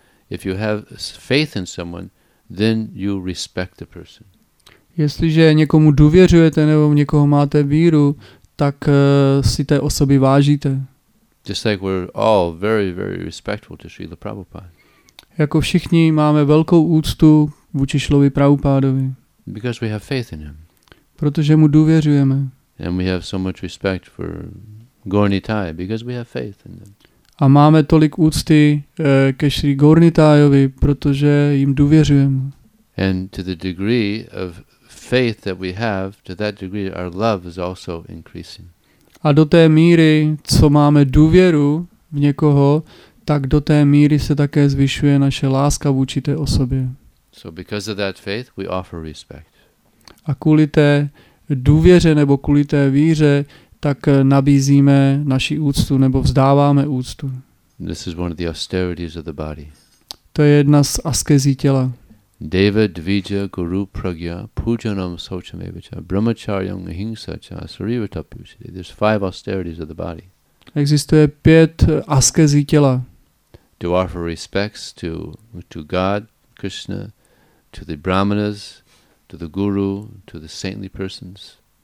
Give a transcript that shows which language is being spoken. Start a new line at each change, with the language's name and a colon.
English: If you have faith in someone, then you respect the person.
Czech: Jestliže někomu důvěřujete nebo někoho máte víru, tak si té osoby vážíte.
English: Just like we're all very, very respectful to Srila Prabhupada.
Czech: Jako všichni máme velkou úctu vůči Šrilovi Prabhupádovi.
English: Because we have faith in him.
Czech: Protože mu důvěřujeme.
English: And we have so much respect for Gornitai, because we have faith in him.
Czech: A máme tolik úcty ke Šri Gornitájovi, protože jim důvěřujeme.
English: And to the degree of faith that we have, to that degree our love is also increasing.
Czech: A do té míry, co máme důvěru v někoho, tak do té míry se také zvyšuje naše láska vůči té osobě.
English: So because of that faith, we offer respect.
Czech: A kvůli té důvěře nebo kvůli té víře, tak nabízíme naši úctu nebo vzdáváme úctu.
English: This is one of the austerities of the body.
Czech: To je jedna z askezí těla.
Sanskrit: Deva dvija guru pragya pujanam sochamevicha brahmacharyam hingsacha sarivatapuchi.
English: There's five austerities of the body.
Czech: Existuje pět askezí těla.
English: To offer respects to God, Krishna, to the brahmanas, to the guru, to the saintly persons.